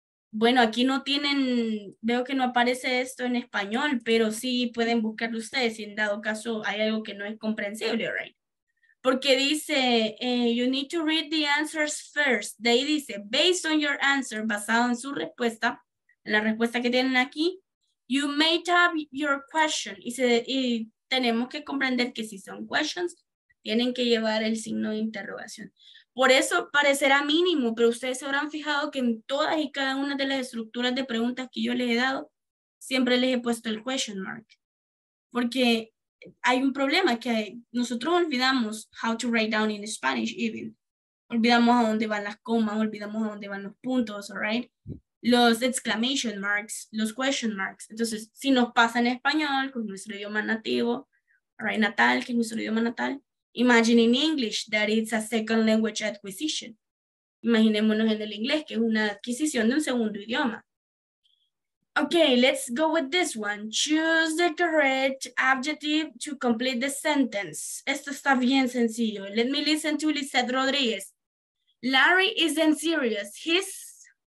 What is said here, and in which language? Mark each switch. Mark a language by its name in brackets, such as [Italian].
[Spanish] Bueno, aquí no tienen, veo que no aparece esto en español, pero sí pueden buscarlo ustedes si en dado caso hay algo que no es comprensible, right? Porque dice, [English] you need to read the answers first. [Spanish] De ahí dice, [English] based on your answer, [Spanish] basado en su respuesta, en la respuesta que tienen aquí, [English] you made up your question. [Spanish] Y tenemos que comprender que si son questions, Tienen que llevar el signo de interrogación. Por eso parecerá mínimo, pero ustedes se habrán fijado que en todas y cada una de las estructuras de preguntas que yo les he dado, siempre les he puesto el question mark. Porque hay un problema que nosotros olvidamos [English] how to write down in Spanish even. [Spanish] Olvidamos a dónde van las comas, olvidamos a dónde van los puntos, [English] all right? [Spanish] Los exclamation marks, los question marks. Entonces, si nos pasa en español, con nuestro idioma nativo, [English] all right, [Spanish] natal, que es nuestro idioma natal, [English] imagine in English that it's a second language acquisition. [Spanish] Imaginémonos en el inglés, que es una adquisición de un segundo idioma. [English] Okay, let's go with this one. Choose the correct adjective to complete the sentence. [Spanish] Esto está bien sencillo. [English] Let me listen to Lizeth Rodriguez. Larry isn't serious. He's